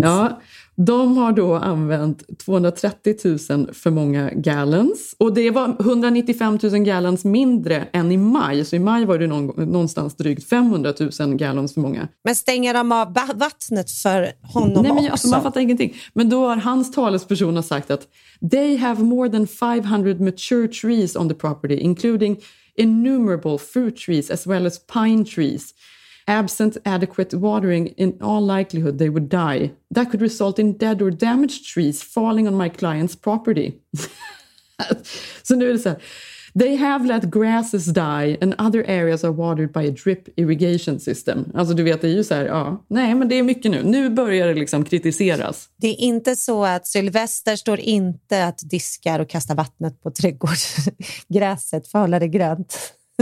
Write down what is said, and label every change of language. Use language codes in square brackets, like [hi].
[sv] Ja, de har då använt 230 000 för många gallons. Och det var 195 000 gallons mindre än i maj. Så i maj var det någonstans drygt 500 000 gallons för många. Men stänger de av vattnet för honom? Nej, men också? Alltså, man fattar ingenting. Men då har hans talesperson sagt att [en] they have more than 500 mature trees on the property, including innumerable fruit trees as well as pine trees. Absent adequate watering, in all likelihood they would die. That could result in dead or damaged trees falling on my client's property. [sv] Så nu är det så här. [en] They have let grasses die and other areas are watered by a drip irrigation system. [sv] Alltså du vet, det är ju så här, ja. Nej, men det är mycket nu. Nu börjar det liksom kritiseras. Det är inte så att Sylvester står inte att diskar och kastar vattnet på trädgårdsgräset för att hålla det grönt.